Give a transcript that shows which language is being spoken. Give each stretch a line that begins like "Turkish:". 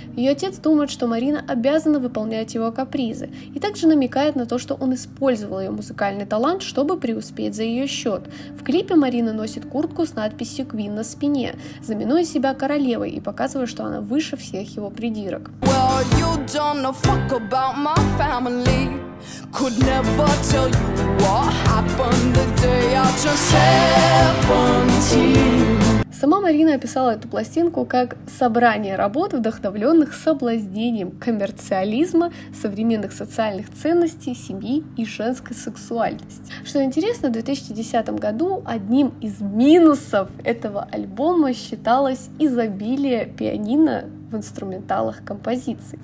Russian: Ее отец думает, что Марина обязана выполнять его капризы, и также намекает на то, что он использовал ее музыкальный талант, чтобы преуспеть за ее счет. В клипе Марина носит куртку с надписью «Queen» на спине, знаменуя себя королевой и показывая, что она выше всех его придирок.
English: Well, you don't know fuck about my family. Could never tell you what happened the day I turned 17.
Russian: Сама Марина описала эту пластинку как собрание работ, вдохновленных соблазнением коммерциализма, современных социальных ценностей, семьи и женской сексуальности. Что интересно, в 2010 году одним из минусов этого альбома считалось изобилие пианино в инструменталах композиций.